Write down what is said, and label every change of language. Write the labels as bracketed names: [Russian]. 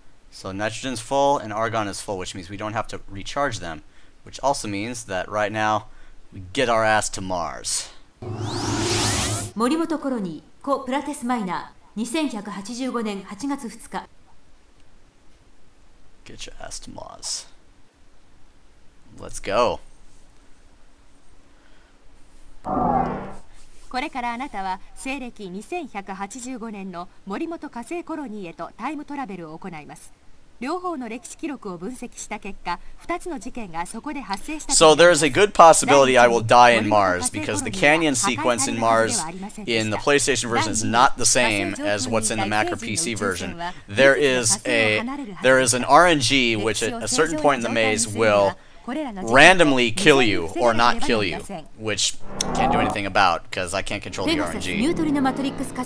[English] So nitrogen's full and argon is full, which means we don't have to recharge them, which also means that right now we get our ass to Mars. [Japanese] 森本コロニー、コ・プラテスマイナー。 2185年8月2日。 [English] Get your ass to Mars. Let's go. [Japanese] これからあなたは西暦2185年の森本火星コロニーへとタイムトラベルを行います。両方の歴史記録を分析した結果、2つの事件がそこで発生した。 [English] So there is a good possibility I will die in Mars because the canyon sequence in Mars in the PlayStation version is not the same as what's in the Macro PC version. There is an RNG which at a certain point in the maze will randomly kill you or not kill you, which can't do anything about because I can't control the RNG.